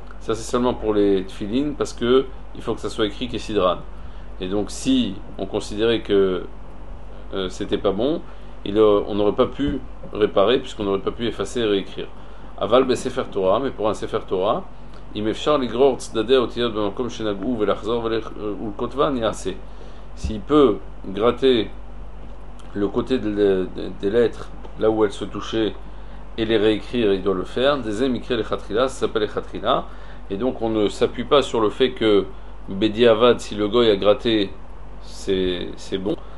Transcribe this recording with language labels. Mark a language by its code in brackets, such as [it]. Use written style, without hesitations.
[fr] Ça c'est seulement pour les tfilin parce que il faut que ça soit écrit kesidran. Et donc si on considérait que c'était pas bon, on n'aurait pas pu réparer, puisqu'on n'aurait pas pu effacer et réécrire. [he] אבל בספר תורה, מפורן ספר תורה, אם אפשר לגרור צדדי האותיות במקום שנגעו ולחזור ולכותבן, יעשה. [fr] S'il peut gratter le côté des lettres là où elles se touchaient et les réécrire, il doit le faire. Des émikrés les khatrila, ça s'appelle les khatrila. Et donc on ne s'appuie pas sur le fait que Bediavad, si le goy a gratté, c'est bon.